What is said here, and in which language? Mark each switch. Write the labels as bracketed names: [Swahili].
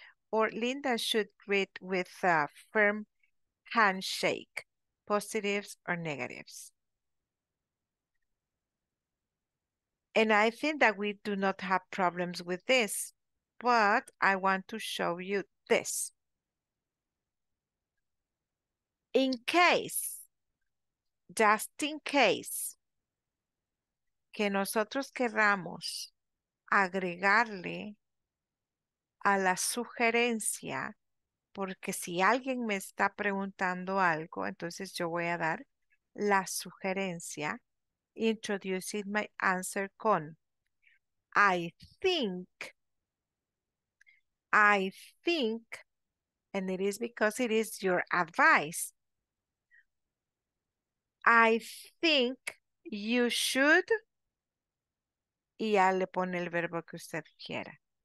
[English] Or Linda should greet with a firm handshake, positives or negatives. And I think that we do not have problems with this, but I want to show you this. In case, just in case, [Spanish] que nosotros queramos agregarle a la sugerencia, porque si alguien me está preguntando algo, entonces yo voy a dar la sugerencia. [English] Introducing my answer con I think, and it is because it is your advice. I think you should, [Spanish] y ya le pone el verbo que usted quiera.